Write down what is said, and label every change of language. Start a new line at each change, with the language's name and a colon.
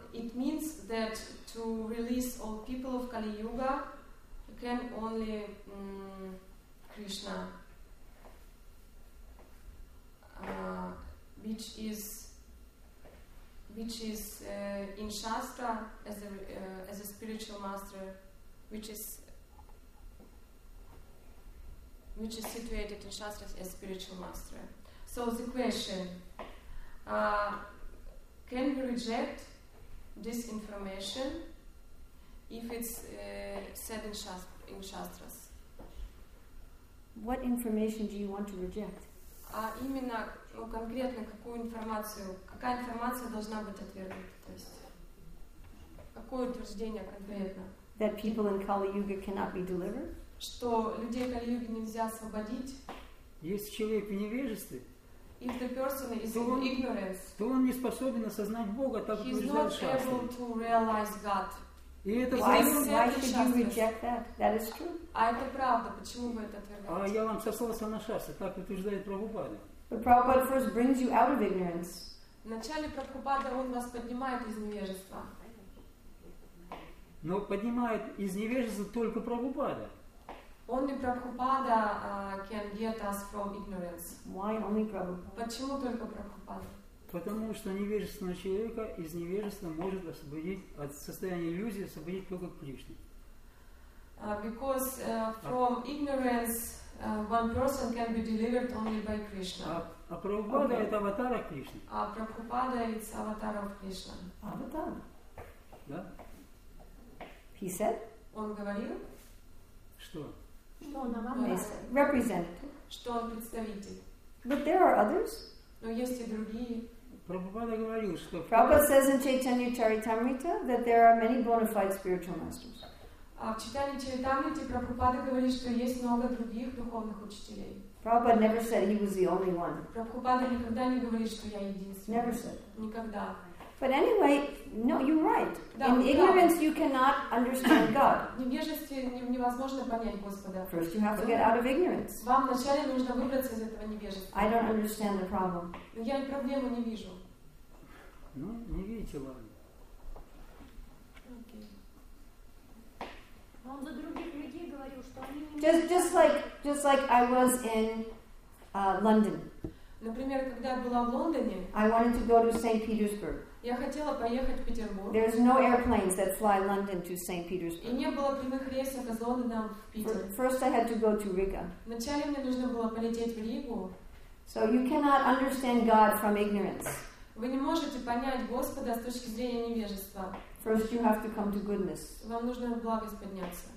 English: It means that to release all people of Kali Yuga can only Krishna, which is in Shastra as a spiritual master, which is situated in Shastra as a spiritual master. So the question, can we reject this information if it's said in Shastras? What information do you want to reject?
Russian: А именно, ну, конкретно какую информацию, какая информация должна быть отвергнута, то есть какое утверждение конкретно?
English: That people in Kali Yuga cannot be delivered?
Russian: Что людей Kali Yuga нельзя освободить? Если человек в невежестве,
English: if the person is in ignorance,
Russian: то он не способен осознать Бога, так
English: he's not able to realize God.
Russian: И это
English: why should you reject that? That is true.
Russian: А это правда. Почему вы это отвергаете? А я вам сослался на шасы. Так утверждает Прабхупада.
English: But Prabhupada first brings you out of ignorance.
Russian: Вначале Прабхупада, он вас поднимает из невежества. Но поднимает из невежества только Прабхупада.
English: Only Prabhupada can get us from ignorance. Why only Prabhupada?
Russian: Почему только Прабхупада? Потому что невежественного человека из невежества может освободить от состояния иллюзии, освободить только Кришна.
English: Because from ignorance one person can be delivered only by Krishna.
Russian: А Прабхупада okay. это аватар Кришны. А Прабхупада это аватар Кришны. Аватар. Да?
English: He said?
Russian: Он говорил? Что? Что он аватар?
English: Representative.
Russian: Что он представитель?
English: But there are others.
Russian: Но есть и другие. Прабхупада говорил, что
English: Prabhupada says in Chaitanya Charitamrita that there are many bona fide spiritual masters.
Russian: А в читании Чайтамриты Прабхупада говорит, что есть много других духовных учителей.
English: Prabhupada never said he was the only one.
Russian: Прабхупада никогда не говорит, что я единственный.
English: Never said.
Russian: Никогда.
English: But anyway, no, you're right.
Russian: Да,
English: in ignorance, you cannot understand God.
Russian: В невежестве невозможно понять Господа.
English: First, you have to get out of ignorance.
Russian: Вам вначале нужно выбраться из этого невежества. I don't understand the problem. Я и проблему не вижу. Ну, не видите, ладно. Окей. Он за других людей говорил, что они не.
English: Just like I was in London.
Russian: Например, когда я была в Лондоне.
English: I wanted to go to St. Petersburg.
Russian: Я хотела поехать в Петербург.
English: There's no airplanes that fly London to St. Petersburg.
Russian: И не было прямых рейсов из Лондона в Питер.
English: First, I had to go to Riga.
Russian: Вначале мне нужно было полететь в Ригу.
English: So you cannot understand God from ignorance.
Russian: Вы не можете понять Господа с точки зрения невежества.
English: First, you have to come to goodness.
Russian: Вам нужно в благость подняться.